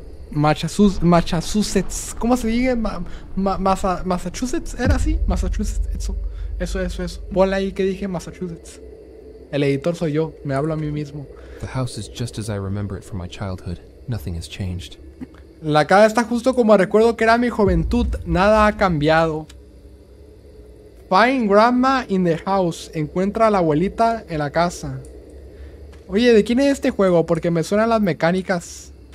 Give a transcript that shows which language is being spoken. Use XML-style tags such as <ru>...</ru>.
<es>Massachusetts, ¿cómo se dice? Massachusetts, ¿era así? Massachusetts, eso. Ponle ahí que dije Massachusetts. El editor soy yo, me hablo a mí mismo.</es> <en>The house is just as I remember it from my childhood. Nothing has changed.</en> <es>La casa está justo como recuerdo que era mi juventud. Nada ha cambiado.</es> <en>Find grandma in the house.</en> <es>Encuentra a la abuelita en la casa. Oye, ¿de quién es este juego? Porque me suenan las mecánicas.</es>